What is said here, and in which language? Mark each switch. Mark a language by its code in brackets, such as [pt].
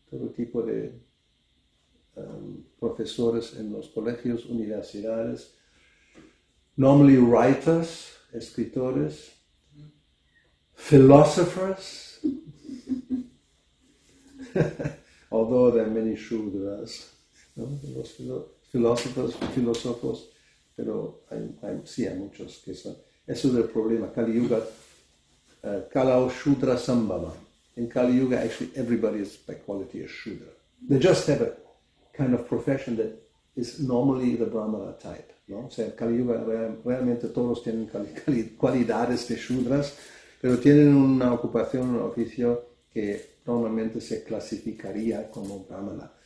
[es] Todo tipo de profesores en los colegios, universidades, [en] normally writers, [es] escritores, [en] philosophers, although there are many shudras, [es] ¿no? Los philosophers, filósofos, pero hay muchos que son. Eso es el problema. Kali Yuga, Kalao Shudra Sambhava. [en] In Kali Yuga, actually, everybody is by quality a Shudra. They just have a kind of profession that is normally the Brahmana type. No? [es] Say, Kali Yuga, realmente todos tienen cualidades de Shudras, pero tienen una ocupación, un oficio que normalmente se clasificaría como Brahmana.